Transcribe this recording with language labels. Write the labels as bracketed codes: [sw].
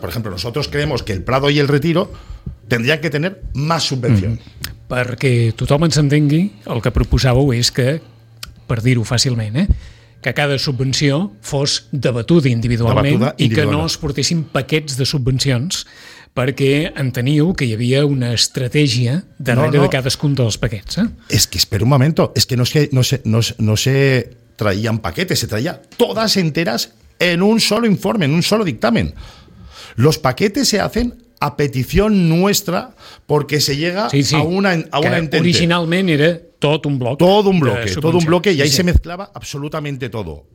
[es] Por ejemplo, nosotros creemos que el Prado y el Retiro tendrían que tener más subvención. [ca] Perquè tothom ens entengui, el que proposàveu és que, per dir-ho fàcilment, que cada subvenció fos debatuda individualment, debatuda individualment, i que no es portessin paquets de subvencions, perquè enteníeu que hi havia una estratègia darrere de cadascun dels paquets. És que, espera un moment, és que no sé... [es] Traían paquetes, se traía todas enteras en un solo informe, en un solo dictamen. Los paquetes se hacen a petición nuestra porque se llega a una entente. [ca] Originalment era tot un bloc. Tot [es] un bloque y ahí se mezclava absolutamente todo.